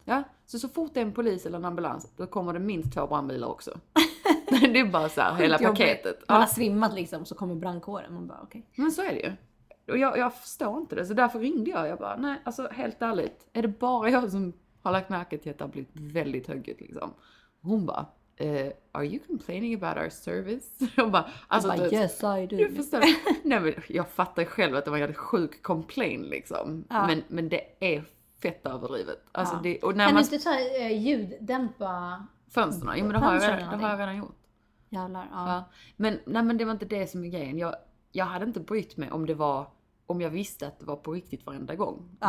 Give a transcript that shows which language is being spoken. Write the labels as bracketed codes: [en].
[sv] Ja, så fort det är en polis eller en ambulans, då kommer det minst 2 brandbilar också. Det är bara så här, hela paketet. Man har svimmat liksom, så kommer brandkåren. Man bara, okay. Men så är det ju. Och jag förstår inte det, så därför ringde jag. Jag bara, nej, alltså helt ärligt, är det bara jag som har lagt märke till att det har blivit väldigt högt liksom? Hon bara, [en] are you complaining about our service? [sv] Hon bara, alltså, jag bara, [en] yes I do. [sv] Du förstår. Nej, men jag fattar själv att det var en sjuk complain liksom. Ja. Men det är fett överdrivet. Alltså, ja. Det, och när kan man, du inte ta ljuddämpa fönsterna? Jo, men det har jag redan, det har jag redan gjort. Jävlar, ja. Men, nej, men det var inte det som är grejen. Jag hade inte brytt mig om det var, om jag visste att det var på riktigt varenda gång. Ja.